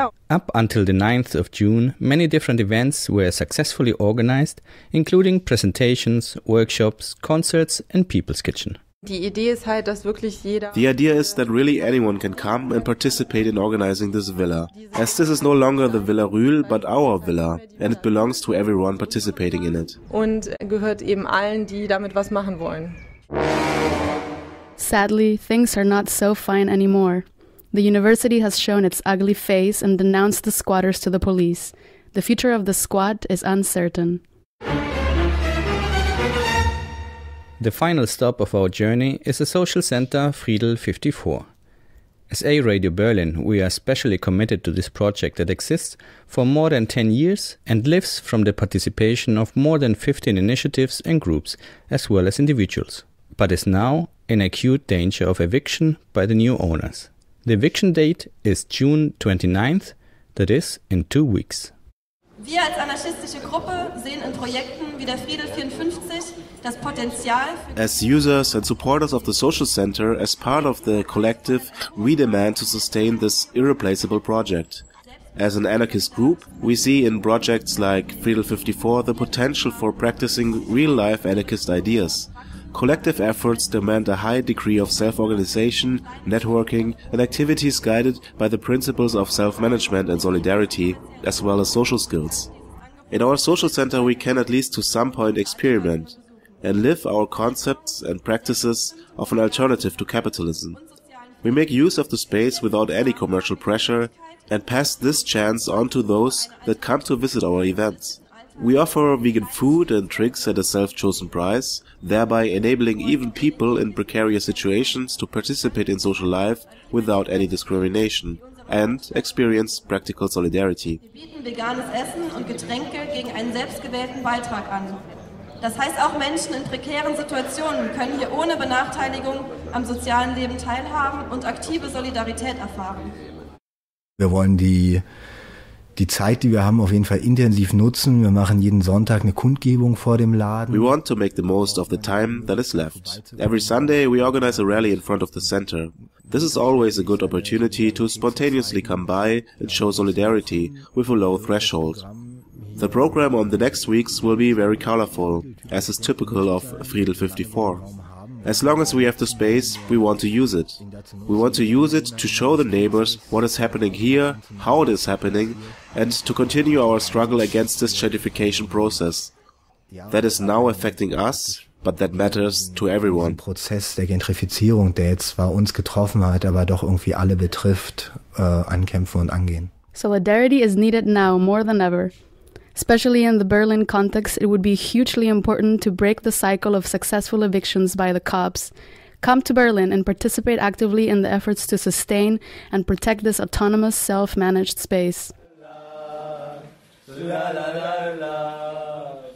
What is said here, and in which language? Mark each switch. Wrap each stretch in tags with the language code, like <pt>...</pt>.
<en>Up until the 9th of June, many different events were successfully organized, including presentations, workshops, concerts and People's Kitchen. The idea is that really anyone can come and participate in organizing this villa, as this is no longer the Villa Rühl, but our villa, and it belongs to everyone participating in it.</en> <de>Und gehört eben allen, die damit was machen wollen.</de> <en>Sadly, things are not so fine anymore. The university has shown its ugly face and denounced the squatters to the police. The future of the squad is uncertain. The final stop of our journey is the social center Friedel 54. As A Radio Berlin, we are especially committed to this project that exists for more than 10 years and lives from the participation of more than 15 initiatives and groups, as well as individuals, but is now in acute danger of eviction by the new owners. The eviction date is June 29th, that is, in 2 weeks.</en> <de>Wir als anarchistische Gruppe sehen in Projekten wie der Friedel 54 das Potenzial.</de> <en>As users and supporters of the social center, as part of the collective, we demand to sustain this irreplaceable project. As an anarchist group, we see in projects like Friedel 54 the potential for practicing real-life anarchist ideas. Collective efforts demand a high degree of self-organization, networking, and activities guided by the principles of self-management and solidarity, as well as social skills. In our social center, we can at least to some point experiment and live our concepts and practices of an alternative to capitalism. We make use of the space without any commercial pressure and pass this chance on to those that come to visit our events. We offer vegan food and drinks at a self-chosen price, thereby enabling even people in precarious situations to participate in social life without any discrimination and experience practical solidarity.</en> <de>Wir bieten veganes Essen und Getränke gegen einen selbstgewählten Beitrag an. Das heißt, auch Menschen in prekären Situationen können hier ohne Benachteiligung am sozialen Leben teilhaben und aktive Solidarität erfahren. Wir wollen die Zeit, die wir haben, auf jeden Fall intensiv nutzen. Wir machen jeden Sonntag eine Kundgebung vor dem Laden.</de> <en>We want to make the most of the time that is left. Every Sunday we organize a rally in front of the center. This is always a good opportunity to spontaneously come by and show solidarity with a low threshold. The program on the next weeks will be very colorful, as is typical of Friedel 54. As long as we have the space, we want to use it. We want to use it to show the neighbors what is happening here, how it is happening, and to continue our struggle against this gentrification process that is now affecting us, but that matters to everyone.</en> <de>Prozess der Gentrifizierung, der jetzt zwar uns getroffen hat, aber doch irgendwie alle betrifft, ankämpfen und angehen.</de> <en>Solidarity is needed now more than ever. Especially in the Berlin context, it would be hugely important to break the cycle of successful evictions by the cops. Come to Berlin and participate actively in the efforts to sustain and protect this autonomous, self-managed space. La, la, la, la, la, la.</en>